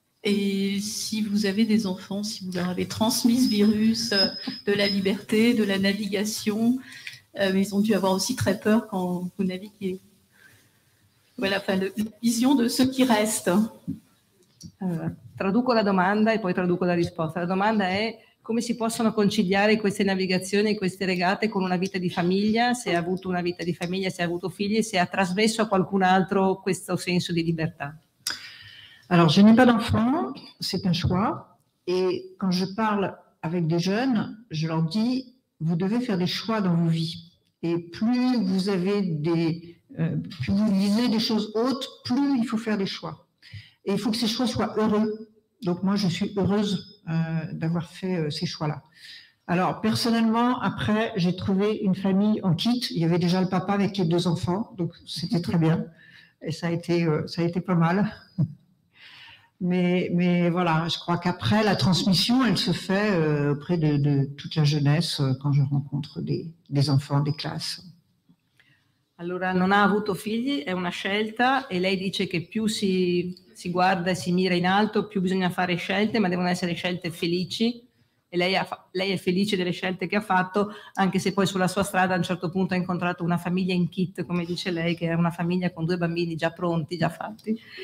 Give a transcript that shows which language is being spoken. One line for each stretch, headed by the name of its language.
French: Et si vous avez des enfants, si vous leur avez transmis ce virus de la liberté, de la navigation, ils ont dû avoir aussi très peur quand vous naviguez. Voilà, enfin, la vision de ceux qui restent.
Italian: Traduco la domanda e poi traduco la risposta. La domanda è: come si possono conciliare queste navigazioni, queste regate con una vita di famiglia, se ha avuto una vita di famiglia, se ha avuto figli, se ha trasmesso a qualcun altro questo senso di libertà?
French: Alors, je n'ai pas d'enfants, c'est un choix. Et quand je parle avec des jeunes, je leur dis, vous devez faire des choix dans vos vies. Et plus vous avez plus vous visez des choses hautes, plus il faut faire des choix. Et il faut que ces choix soient heureux. Donc moi, je suis heureuse d'avoir fait ces choix-là. Alors, personnellement, après, j'ai trouvé une famille en kit. Il y avait déjà le papa avec les deux enfants, donc c'était très bien. Et ça a été pas mal. Mais voilà, je crois qu'après la transmission, elle se fait auprès de toute la jeunesse quand je rencontre des enfants, des classes.
Italian: Allora, non ha avuto figli, è una scelta, e lei dice che più si guarda e si mira in alto, più bisogna fare scelte, ma devono essere scelte felici. E lei è felice delle scelte che ha fatto, anche se poi sulla sua strada a un certo punto ha incontrato una famiglia in kit, come dice lei, che è una famiglia con due bambini già pronti, già fatti.